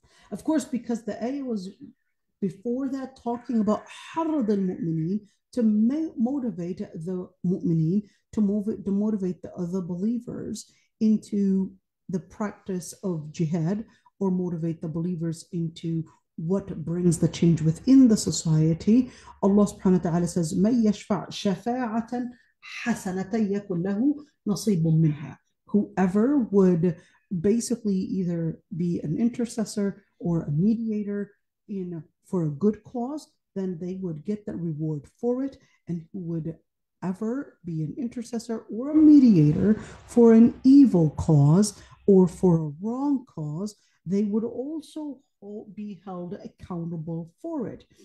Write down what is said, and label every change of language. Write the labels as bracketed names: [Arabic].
[English] Of course, because the ayah was before that talking about [Arabic] حَرَّضَ الْمُؤْمِنِينَ, [English] to motivate the mu'mineen, to motivate the other believers into the practice of jihad, or motivate the believers into what brings the change within the society. Allah subhanahu wa ta'ala says, [Arabic] مَنْ يَشْفَعْ شَفَاعَةً حَسَنَةً يَكُنْ لَهُ نَصِيبٌ مِّنْهَا. [English] Whoever would basically either be an intercessor or a mediator in for a good cause, then they would get that reward for it. And who would ever be an intercessor or a mediator for an evil cause, or for a wrong cause, they would also be held accountable for it.